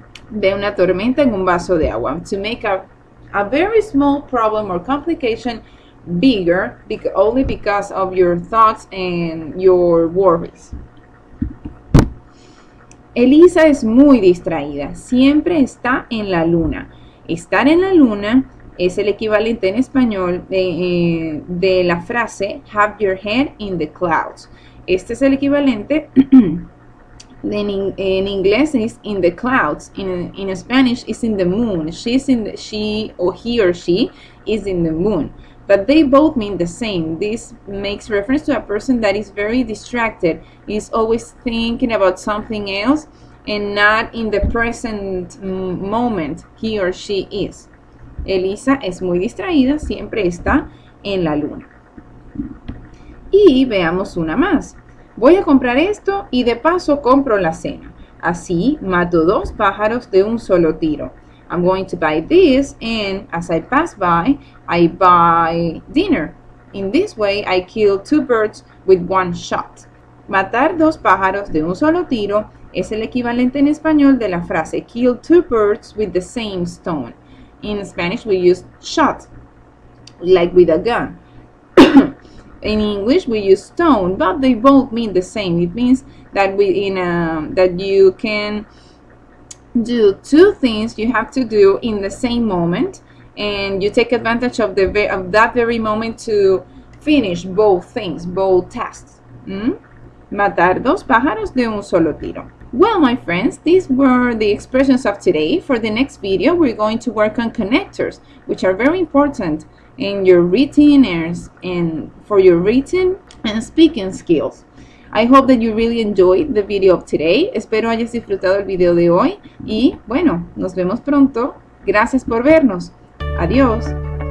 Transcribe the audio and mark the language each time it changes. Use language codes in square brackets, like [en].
[es] Ve una tormenta en un vaso de agua. [en] To make a very small problem or complication bigger only because of your thoughts and your worries. [es] Elisa es muy distraída. Siempre está en la luna. Estar en la luna es el equivalente en español de la frase have your head in the clouds. Este es el equivalente en inglés es in the clouds. [en] In Spanish is in the moon. She is in the moon. But they both mean the same. This makes reference to a person that is very distracted, is always thinking about something else and not in the present moment he or she is. [es] Elisa es muy distraída, siempre está en la luna. Y veamos una más. Voy a comprar esto y de paso compro la cena. Así mato dos pájaros de un solo tiro. [en] I'm going to buy this and as I pass by, I buy dinner. In this way, I kill two birds with one shot. [es] Matar dos pájaros de un solo tiro es el equivalente en español de la frase kill two birds with the same stone. [en] In Spanish, we use shot, like with a gun. In English, we use stone, but they both mean the same. It means that that you can do two things you have to do in the same moment, and you take advantage of that very moment to finish both things, both tasks. [es] Matar dos pájaros de un solo tiro. [en] Well, my friends, these were the expressions of today. For the next video, we're going to work on connectors, which are very important in your written and for your written and speaking skills. I hope that you really enjoyed the video of today. [es] Espero hayas disfrutado el video de hoy. Y bueno, nos vemos pronto. Gracias por vernos. Adiós.